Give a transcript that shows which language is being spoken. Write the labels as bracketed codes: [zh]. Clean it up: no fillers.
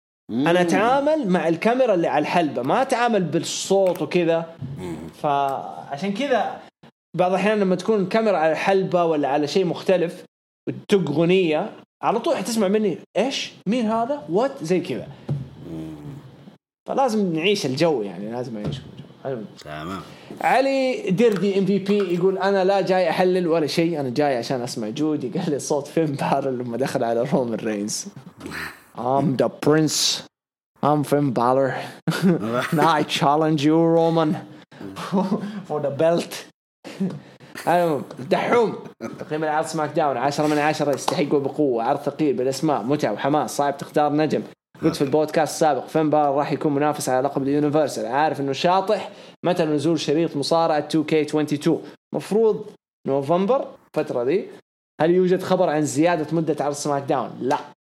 [ar] انا اتعامل مع الكاميرا اللي على الحلبة ما اتعامل بالصوت وكذا, فعشان كذا بعض الأحيان لما تكون الكاميرا على حلبة ولا على شيء مختلف وتق غنية على طول حتسمع مني إيش مين هذا وات زي كذا, فلازم نعيش الجو يعني لازم نعيش الجو. تمام. علي دردي MVP يقول أنا لا جاي أحلل ولا شيء, أنا جاي عشان أسمع جودي قال لي صوت فين بارل لما دخل على رومان رينز. [en] I'm the prince, I'm Finn Balor. Now I challenge you Roman for the belt. [ar] دحوم تقييم العرض سماك داون 10/10 يستحقوا بقوة, عرض ثقيل بالأسماء متعة وحماس صعب تختار نجم. قلت في البودكاست السابق فين بار راح يكون منافس على لقب اليونيفرسال, عارف انه شاطح متى نزول شريط مصارعة 2K22 مفروض نوفمبر فترة دي, هل يوجد خبر عن زيادة مدة عرض سماك داون؟ لا.